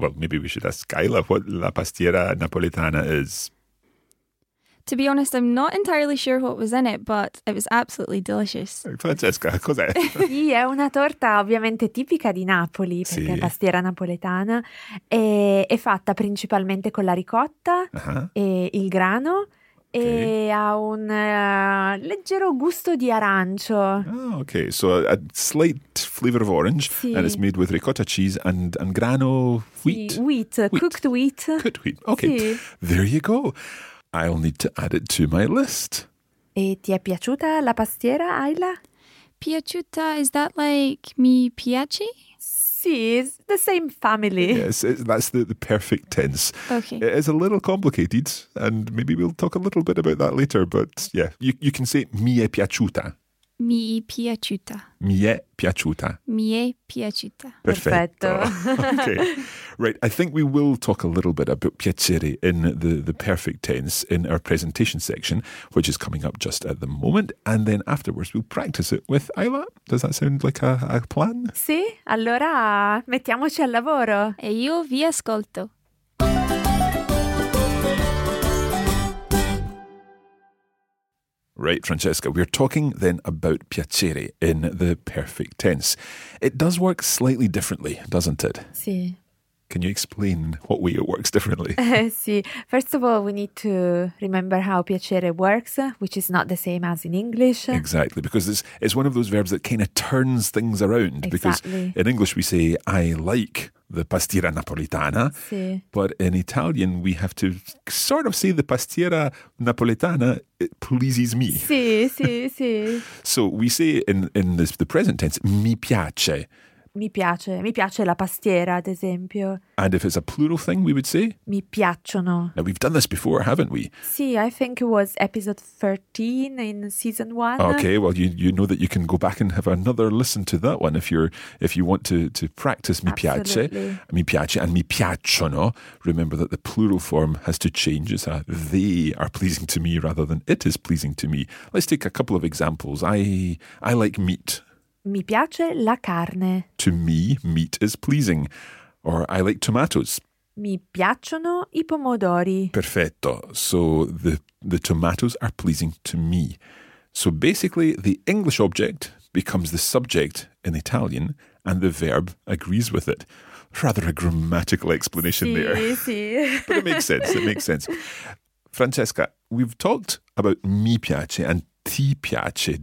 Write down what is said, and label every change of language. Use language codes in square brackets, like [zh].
[en] Well, maybe we should ask Kyla what la pastiera napoletana is. To be honest, I'm not entirely sure what was in it, but it was absolutely delicious. [it] Francesca, cos'è? Sì, è una torta ovviamente tipica di Napoli, perché sì. È pastiera napoletana. E è fatta principalmente con la ricotta e il grano e ha un leggero gusto di arancio. [en] Oh, okay, so a slight flavor of orange and it's made with ricotta cheese and grano wheat. Sì, wheat. Cooked wheat. Cooked wheat, okay. Sì. There you go. I'll need to add it to my list. [it] E ti è piaciuta la pastiera, Ayla? [en] Piaciuta, is that like mi piace? Sì, it's the same family. Yes, that's the perfect tense. Okay. It is a little complicated, and maybe we'll talk a little bit about that later, but yeah, you can say [it] mi è piaciuta. Mi è piaciuta. Mi è piaciuta. Mi è piaciuta. Perfetto. Okay. [en] Right, I think we will talk a little bit about piacere in the perfect tense in our presentation section, which is coming up just at the moment. And then afterwards we'll practice it with Ayla. Does that sound like a plan? [it] Sì, allora mettiamoci al lavoro. E io vi ascolto. [en] Right, Francesca, we're talking then about piacere in the perfect tense. It does work slightly differently, doesn't it? [it] Sì. [en] Can you explain what way it works differently? [it] Sì. [en] First of all, we need to remember how piacere works, which is not the same as in English. Exactly, because it's one of those verbs that kind of turns things around. Exactly. Because in English we say, I like the pastiera napoletana. Sì. But in Italian we have to sort of say the pastiera napoletana, it pleases me. [it] Sì, sì, sì. [en] So we say in the present tense, [it] mi piace. Mi piace la pastiera, ad esempio. [en] And if it's a plural thing, we would say? [it] Mi piacciono. [en] Now, we've done this before, haven't we? Sì, I think it was episode 13 in season 1. Okay, well, you know that you can go back and have another listen to that one if you want to practice mi Absolutely. [it] Piace. Mi piace and mi piacciono. [en] Remember that the plural form has to change. It's a they are pleasing to me rather than it is pleasing to me. Let's take a couple of examples. I like meat. [it] Mi piace la carne. [en] To me, meat is pleasing. Or I like tomatoes. [it] Mi piacciono I pomodori. Perfetto. [en] So the tomatoes are pleasing to me. So basically, the English object becomes the subject in Italian and the verb agrees with it. Rather a grammatical explanation [it] sì, [en] there. [it] Sì. [en] But it makes sense. It makes sense. Francesca, we've talked about mi piace and ti piace.